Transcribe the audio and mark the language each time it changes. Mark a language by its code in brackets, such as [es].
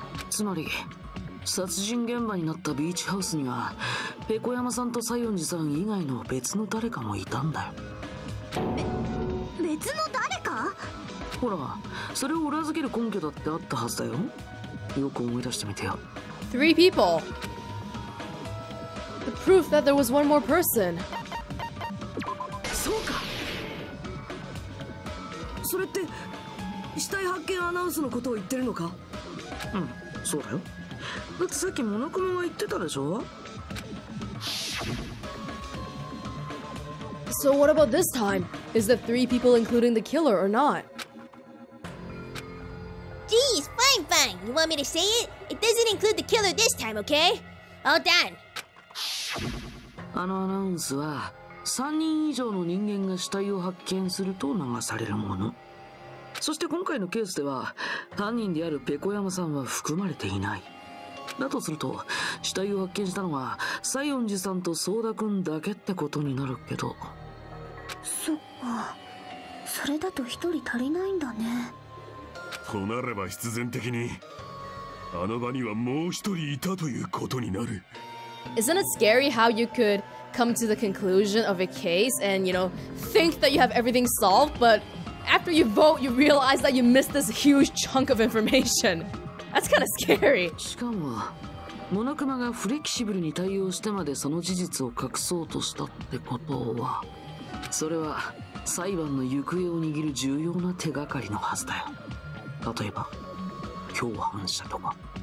[ja] つまり殺人現場になったビーチハウスにはペコ山さんと西園寺さん以外の別の誰かもいたんだよ。別の誰か？ほら、それを裏付ける根拠だってあったはずだよ。よく思い出してみてよ。 [en] Three people. The proof that there was one more person. [ja] そうか。それって死体発見アナウンスのことを言ってるのか？うん、そうだよ。だってさっきモノクマが言ってたでしょ。 [en] So what about this time? Is the three people including the killer or not? Geez, fine, fine. You want me to say it? It doesn't include the killer this time, okay? All done. [ja] あのアナウンスは3人以上の人間が死体を発見すると流されるもの。そして今回のケースでは犯人であるペコ山さんは含まれていない。だとすると死体を発見したのは西園寺さんと相田君だけってことになるけど。そっか、それだと一人足りないんだね。となれば必然的にあの場にはもう一人いたということになる。 [en] Isn't it scary how you could come to the conclusion of a case and you know think that you have everything solved, but after you vote you realize that you missed this huge chunk of information? That's kind of scary. [ja] しかもモノクマがフレキシブルに対応してまでその事実を隠そうとしたってことは、それは裁判の行方を握る重要な手がかりのはずだよ。例えば共犯者とか。